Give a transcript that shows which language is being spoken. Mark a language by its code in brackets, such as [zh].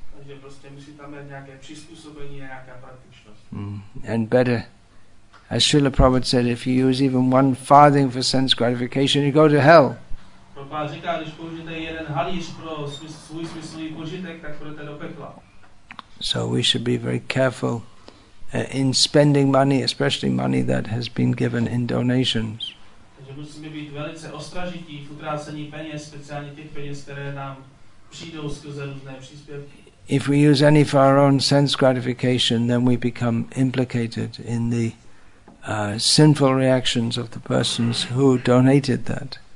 [cs] Takže prostě musí tam být nějaké přizpůsobení a nějaká praktičnost. [en] And better, as Srila Prabhupada said, if you use even one farthing for sense gratification, you go to hell. [cs] Prabhupada říká, když použijete jeden halíř pro svůj smyslový požitek, tak půjdete do pekla. [en] So we should be very careful in spending money, especially money that has been given in donations. [cs] Takže musíme být velice ostražití v utrácení peněz, speciálně těch peněz, které nám přijdou skrze různé příspěvky. [en] If we use any for our own sense gratification, then we become implicated in the sinful reactions of the persons who donated that.